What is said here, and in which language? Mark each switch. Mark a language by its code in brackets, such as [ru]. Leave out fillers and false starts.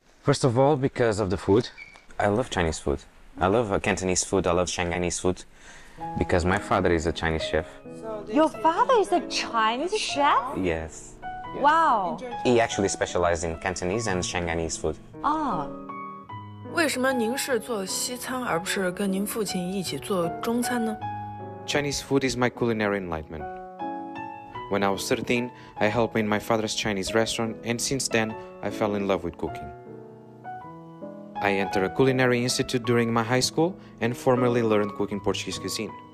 [en] First of all, because of the food. I love Chinese food. I love Cantonese food. I love Shanghainese food because my father is a Chinese chef. Your father is a Chinese chef? Yes. Wow. He actually specialized in Cantonese and Shanghainese food. Oh. [zh] 为什么您是做西餐而不是跟您父亲一起做中餐呢? [en] Chinese food is my culinary enlightenment. When I was 13, I helped in my father's Chinese restaurant, and since then, I fell in love with cooking. I entered a culinary institute during my high school and formally learned cooking Portuguese cuisine.